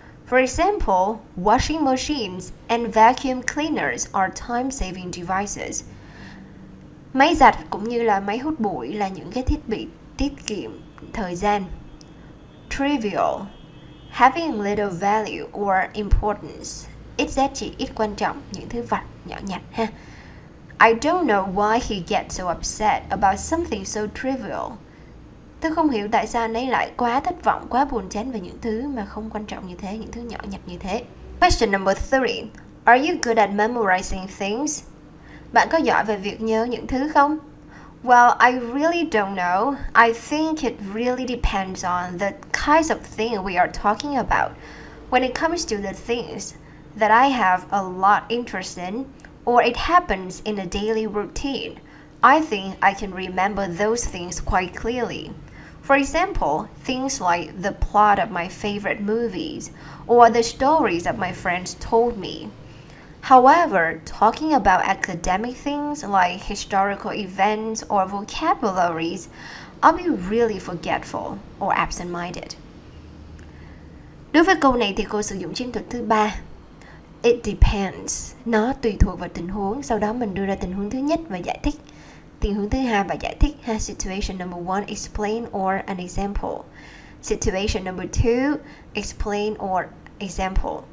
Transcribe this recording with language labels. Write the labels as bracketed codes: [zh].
[en] For example, washing machines and vacuum cleaners are time saving devices. [vi] Máy giặt cũng như là máy hút bụi là những cái thiết bị tiết kiệm thời gian. [en] Trivial, having little value or importance, [vi] ít giá trị, ít quan trọng, những thứ vặt nhỏ nhặt ha. [en] I don't know why he gets so upset about something so trivial. [vi] Tôi không hiểu tại sao anh ấy lại quá thất vọng, quá buồn chán về những thứ mà không quan trọng như thế, những thứ nhỏ nhặt như thế. [en] Question number 3. Are you good at memorizing things? [vi] Bạn có giỏi về việc nhớ những thứ không? [en] Well, I really don't know. I think it really depends on the kinds of thing we are talking about. When it comes to the things that I have a lot interest in, or it happens in a daily routine, I think I can remember those things quite clearly. For example, things like the plot of my favorite movies or the stories that my friends told me. However, talking about academic things like historical events or vocabularies, I'll be really forgetful or absent-minded. [vi] Đối với câu này thì cô sử dụng chiến thuật thứ ba. [en] It depends. [vi] Nó tùy thuộc vào tình huống. Sau đó mình đưa ra tình huống thứ nhất và giải thích. Tình huống thứ hai và giải thích. Ha, [en] situation number one, explain or an example. Situation number two, explain or example.